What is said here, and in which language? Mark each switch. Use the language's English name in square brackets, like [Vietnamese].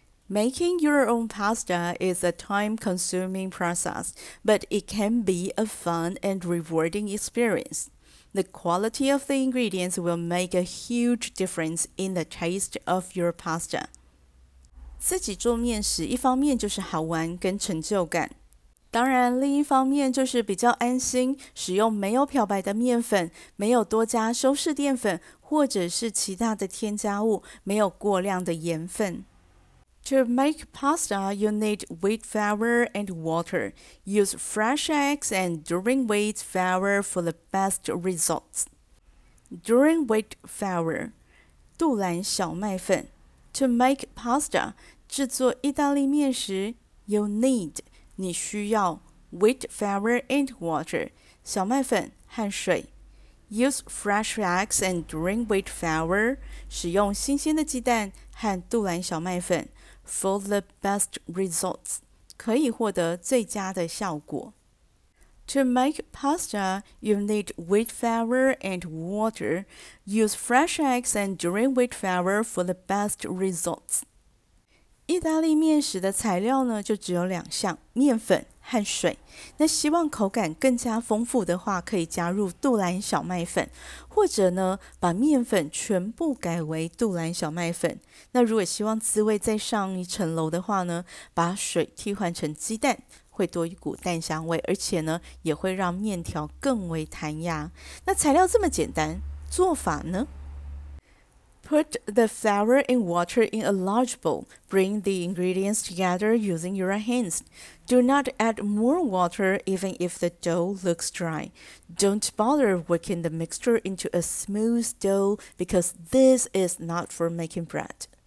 [English] Making your own pasta is a time-consuming process，but it can be a fun and rewarding experience. The quality of the ingredients will make a huge difference in the taste of your pasta. [Chinese] 自己做面食，一方面就是好玩跟成就感，当然，另一方面就是比较安心，使用没有漂白的面粉，没有多加修饰淀粉，或者是其他的添加物，没有过量的盐分。 [English] To make pasta, you need wheat flour and water. Use fresh eggs and during wheat flour for the best results. During wheat flour, [Chinese] 杜兰小麦粉。 [English] To make pasta, [Chinese] 制作意大利面食， [English] you need [Chinese] 你需要 [English] wheat flour and water [Chinese] 小麦粉和水。 [English] Use fresh eggs and during wheat flour [Chinese] 使用新鲜的鸡蛋和杜兰小麦粉。 [English] For the best results [Chinese] 可以获得最佳的效果。 [English] To make pasta, you need wheat flour and water. Use fresh eggs and during wheat flour for the best results. [Chinese] 意大利面食的材料呢，就只有两项：面粉和水。那希望口感更加丰富的话，可以加入杜兰小麦粉，或者呢，把面粉全部改为杜兰小麦粉。那如果希望滋味再上一层楼的话呢，把水替换成鸡蛋。会多一股蛋香味，而且呢，也会让面条更为弹牙。那材料这么简单，做法呢？ [English] Put the flour and water in a large bowl. Bring the ingredients together using your hands. Do not add more water even if the dough looks dry. Don't bother working the mixture into a smooth dough because this is not for making bread.